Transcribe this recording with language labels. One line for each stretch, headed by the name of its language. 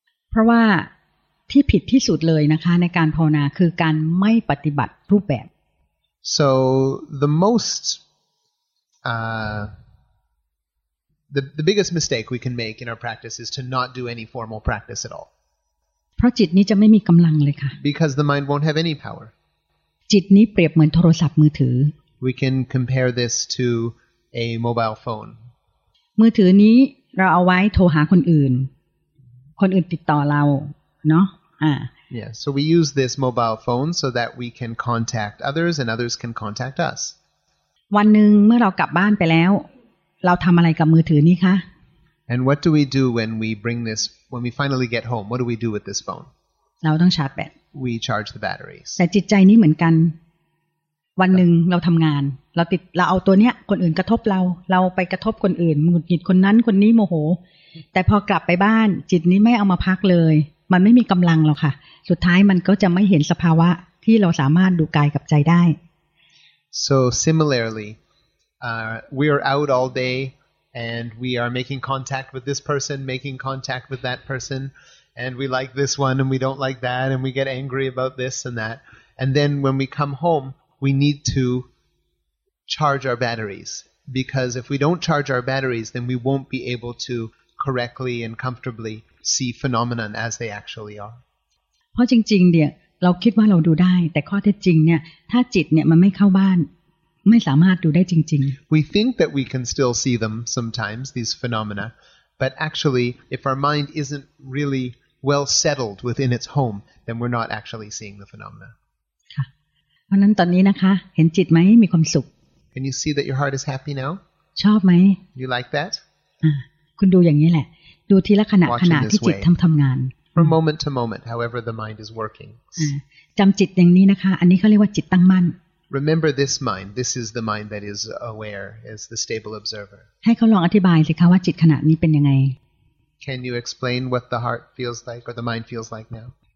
Thai: เพราะว่าที่ผิดที่สุดเลยนะคะในการภาวนาคือการไม่ปฏิบัติรูปแบบ
English: So the mostThe biggest mistake we can make in our practice is to not do any formal practice at all.
Thai: เพราะจิตนี้จะไม่มีกำลังเลยค่ะ
English: Because the mind won't have any power.
Thai: จิตนี้เปรียบเหมือนโทรศัพท์มือถือ
English: We can compare this to a mobile phone.
Thai: มือถือนี้เราเอาไว้โทรหาคนอื่นติดต่อเราเนาะ
English: Yeah, so we use this mobile phone so that we can contact others and others can contact us.
Thai: วันหนึ่งเมื่อเรากลับบ้านไปแล้วเราทำอะไรกับมือถือนี้คะ
English: And what do we do when we bring this when we finally get home what do we do with this phone
Thai: เราต้องชาร์จแบต
English: We charge the batteries
Thai: แต่จิตใจนี้เหมือนกันวันหนึ่งเราทำงานเราเอาตัวเนี้ยคนอื่นกระทบเราไปกระทบคนอื่นหงุดหงิดคนนั้นคนนี้โมโหแต่พอกลับไปบ้านจิตนี้ไม่เอามาพักเลยมันไม่มีกำลังหรอกค่ะสุดท้ายมันก็จะไม่เห็นสภาวะที่เราสามารถดูกายกับใจได้
English: So similarlyWe are out all day and we are making contact with this person, making contact with that person and we like this one and we don't like that and we get angry about this and that and then when we come home we need to charge our batteries because if we don't charge our batteries then we won't be able to correctly and comfortably see phenomena as they actually are.
Thai: เพราะจริงๆเนี่ยเราคิดว่าเราดูได้แต่ข้อเท็จจริงเนี่ยถ้าจิตเนี่ยมันไม่เข้าบ้านไม่สามารถดูได้จริง
English: ๆ We think that we can still see them sometimes these phenomena but actually if our mind isn't really well settled within its home then we're not actually seeing the phenomena
Thai: ค่ะเพราะนั้นตอนนี้นะคะเห็นจิตไหมมีความสุข
English: Can you see that your heart is happy now
Thai: ชอบไหม
English: You like that
Thai: คุณดูอย่างนี้แหละดูทีละขณะที่จิตทำงาน
English: From moment to moment however the mind is working
Thai: จำจิตอย่างนี้นะคะอันนี้เขาเรียกว่าจิตตั้งมั่น
English: Remember this mind. This is the mind that is aware, is the stable observer.
Thai: ให้เขาลองอธิบายสิคะว่าจิตขณะนี้เป็นยังไง
English: Can you explain what the heart feels like or the mind feels like now?